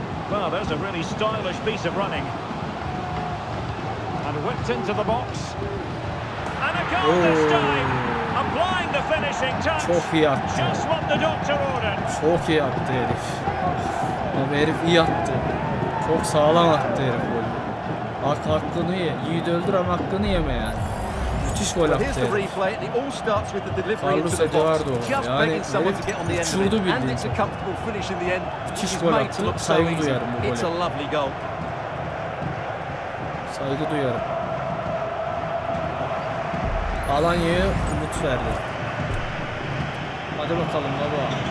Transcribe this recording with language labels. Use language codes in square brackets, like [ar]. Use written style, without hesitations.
[en] Well, there's a really stylish piece of running. And whipped into the box. And a goal this time. Applying the finishing touch. [tr] Çok iyi attı. [en] Just what the doctor ordered. [tr] Çok iyi attı herif. Abi herif iyi attı. Çok sağlam attı herif golü. Hakkını ye. Yiğit öldür ama hakkını yeme yani. Müthiş gol attı. [en] Here's the replay. It all starts with the delivery into the box. Just begging someone to get on the end of it. And it's a comfortable finish in the end. [tr] Müthiş gol attı. Saygı duyarım bu gole. [en] It's a lovely goal. [tr] Saygı duyarım. Alanya'ya umut verdi. Hadi bakalım baba.